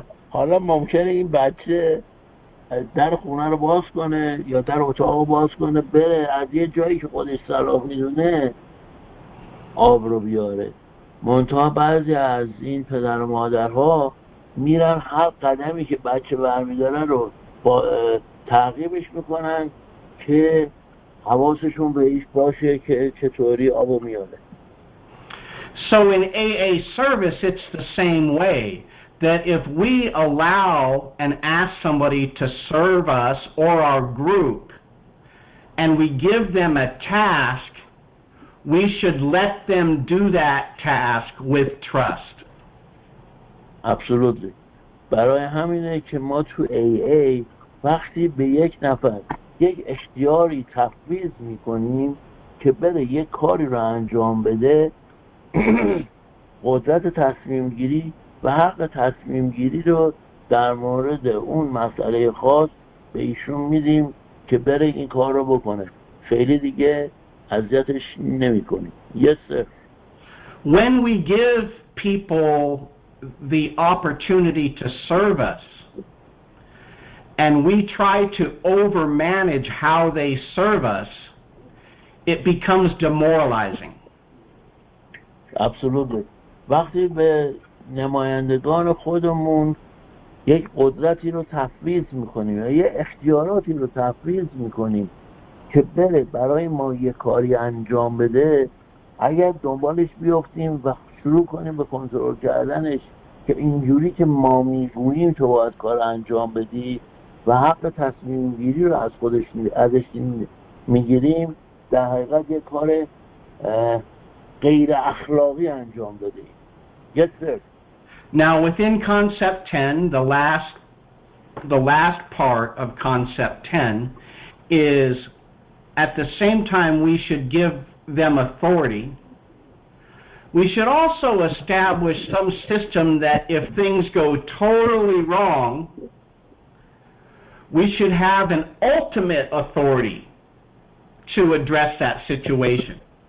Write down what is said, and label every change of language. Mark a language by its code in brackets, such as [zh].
[fa] حالا ممکنه این بچه در خونه رو باز کنه یا در اتاق رو باز کنه بره از یه جایی که خودش صلاح میدونه آب رو بیاره. منتها بعضی از این پدر و مادرها میرن هر قدمی که بچه برمیداره رو با تعقیبش میکنن که حواسشون به ایش باشه که چطوری آب رو میاره. [en] So in AA service it's the same way. That if we allow and ask somebody to serve us or our group, and we give them a task, we should let them do that task with trust. Absolutely. [fa] برای همینه که ما تو AA وقتی به یک نفر یا یک اختیاری تفویض میکنیم که بده یک کاری رو انجام بده، قدرت تصمیم گیری و حق تصمیم گیری رو در مورد اون مسئله خاص به ایشون میدیم که بره این کار رو بکنه، فعلی دیگه عذیتش نمی کنیم. [en] Yes, sir. When we give people the opportunity to serve us and we try to overmanage how they serve us, it becomes demoralizing. Absolutely. [fa] وقتی به نمایندگان خودمون یک قدرتی رو تفویض میکنیم یا یه اختیاراتی رو تفویض میکنیم که بره برای ما یه کاری انجام بده، اگر دنبالش بیافتیم و شروع کنیم به کنترل کردنش که اینجوری که ما میگوییم تو باید کار انجام بدی و حق تصمیم گیری رو از خودش ازش میگیریم، در حقیقت یه کار غیر اخلاقی انجام دادیم. [en] Yes, sir. Now within concept 10, the last part of concept 10 is at the same time we should give them authority, we should also establish some system that if things go totally wrong, we should have an ultimate authority to address that situation.